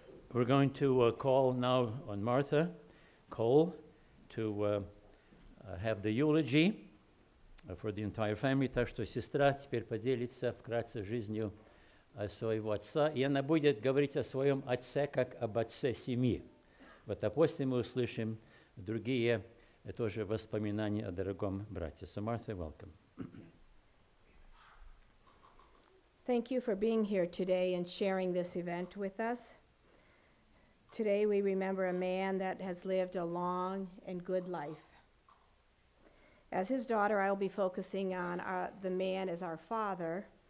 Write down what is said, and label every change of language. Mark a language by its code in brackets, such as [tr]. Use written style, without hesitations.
[en] We're going to call now on Martha Cole to have the eulogy for the entire family. [ru] Так что сестра теперь поделится вкратце жизнью своего отца. И она будет говорить о своем отце как об отце семьи. Вот, а после мы услышим другие тоже воспоминания о дорогом брате. [en] So, Martha, welcome. Thank you for being here today and sharing this event with us. Today we remember a man that has lived a long and good life. As his daughter, I'll be focusing on the man as our father.